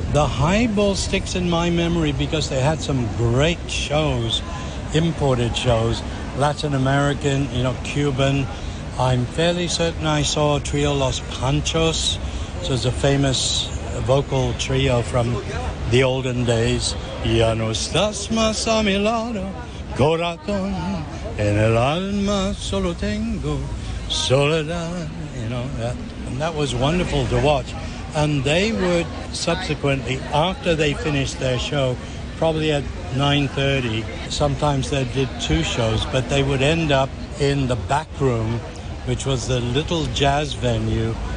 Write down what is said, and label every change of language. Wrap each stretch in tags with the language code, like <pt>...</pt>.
<en>The Highball sticks in my memory because they had some great shows, imported shows, Latin American, you know, Cuban. I'm fairly certain I saw Trio Los Panchos, which is a famous vocal trio from the olden days.</en> <es>Ya no estás más a mi lado, corazón, en el alma solo tengo soledad.</es> <en>You know, and that was wonderful to watch. And they would subsequently, after they finished their show, probably at 9:30, sometimes they did two shows, but they would end up in the back room, which was the little jazz venue</en>